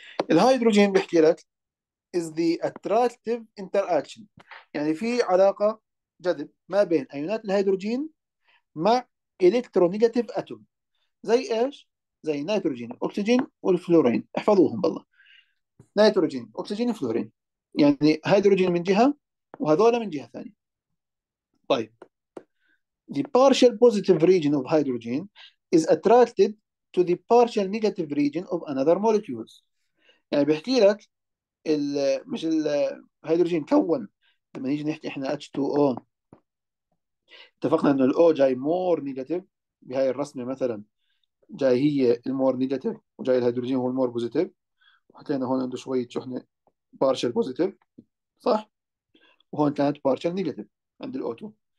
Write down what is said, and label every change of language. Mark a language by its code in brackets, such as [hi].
[ar] الهيدروجين بيحكي لك [en] is the attractive interaction، [ar] يعني في علاقه جذب ما بين ايونات الهيدروجين مع الكترونيجاتيف اتوم. زي ايش؟ زي نيتروجين، اكسجين والفلورين. احفظوهم بالله. نيتروجين، اكسجين، فلورين. يعني هيدروجين من جهة وهذولا من جهة ثانية. [en] طيب the partial positive region of hydrogen is attracted to the partial negative region of another molecules. [ar] يعني بيحكي لك مش الهيدروجين كون لما نيجي نحكي احنا H2O، اتفقنا انه الاو جاي مور نيجاتيف بهاي الرسمة، مثلا جاي هي المور نيجاتيف وجاي الهيدروجين هو المور بوزيتيف، وحكينا هون عنده شوية شحنة بارشل بوزيتيف صح، وهون كانت بارشل نيجاتيف عند الاو 2.